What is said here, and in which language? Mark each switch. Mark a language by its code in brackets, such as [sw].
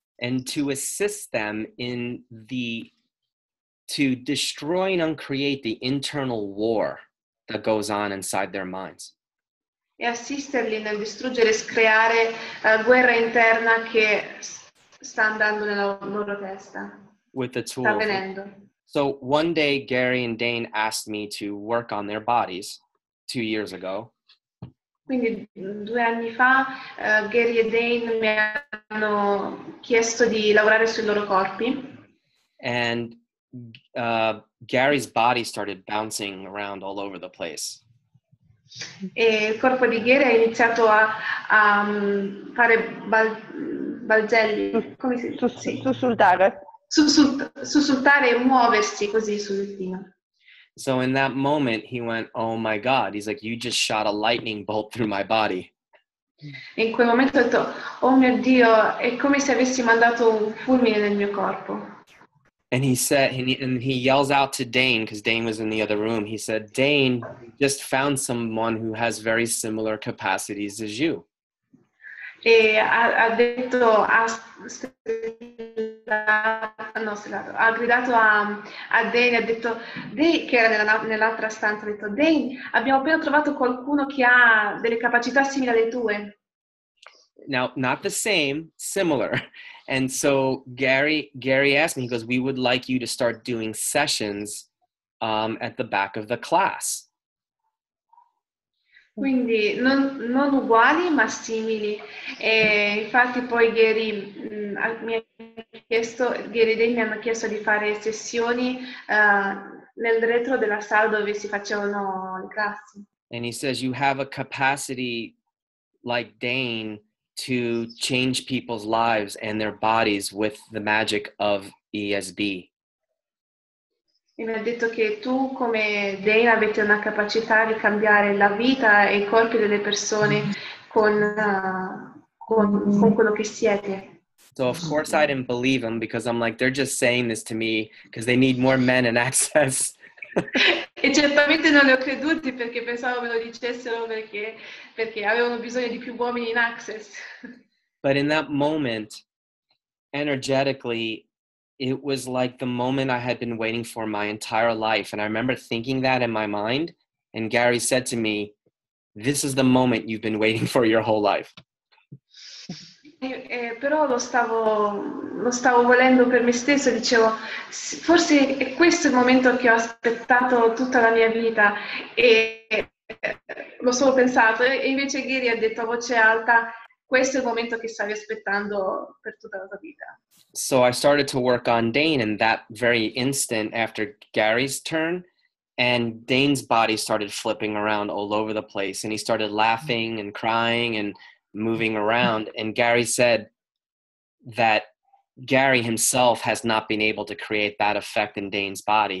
[en] And to assist them in the to destroy and uncreate the internal war that goes on inside their minds. [it] E assisterli nel distruggere e screare la guerra interna che sta andando nella loro testa. [en] With the tool. [it] Sta venendo. [en] So one day Gary and Dane asked me to work on their bodies, 2 years ago. [it] Quindi due anni fa Gary e Dane mi hanno chiesto di lavorare sui loro corpi. [en] And Gary's body started bouncing around all over the place. [it] E il corpo di Gary ha iniziato a fare balzelli, come si dice? Sussultare e muoversi così sul divano. [en] So in that moment he went, "Oh my God!" He's like, "You just shot a lightning bolt through my body." [it] In quel momento ho detto, "Oh mio Dio!" È come se avessi mandato un fulmine nel mio corpo. [en] And he said, and he yells out to Dane because Dane was in the other room. He said, "Dane, just found someone who has very similar capacities as you." [it] E ha detto, ha gridato a Dane, ha detto, Dane, che era nell'altra stanza, ha detto, Dane, abbiamo appena trovato qualcuno che ha delle capacità simili alle tue. [en] Now, not the same, similar. And so Gary asked me, he goes, "We would like you to start doing sessions at the back of the class." [it] Quindi non uguali ma simili. E infatti poi Gary e Dane mi hanno chiesto di fare sessioni nel retro della sala dove si facevano le classi. [en] And he says, "You have a capacity like Dane to change people's lives and their bodies with the magic of ESB." [it] E mi ha detto che tu come Dane avete una capacità di cambiare la vita e i corpi delle persone con quello che siete. [en] So of course I didn't believe him because I'm like, they're just saying this to me because they need more men and access. [it] E certamente non le ho creduti perché pensavo me lo dicessero perché avevano bisogno di più uomini in access. [en] But in that moment, energetically, it was like the moment I had been waiting for my entire life. And I remember thinking that in my mind. And Gary said to me, "This is the moment you've been waiting for your whole life." [it] Però lo stavo volendo per me stesso, dicevo, forse è questo il momento che ho aspettato tutta la mia vita. E lo solo pensato. E invece Gary ha detto a voce alta, "Questo è il momento che stavi aspettando per tutta la tua vita." [en] So I started to work on Dane in that very instant after Gary's turn, and Dane's body started flipping around all over the place, and he started laughing and crying and moving around, and Gary said that Gary himself has not been able to create that effect in Dane's body.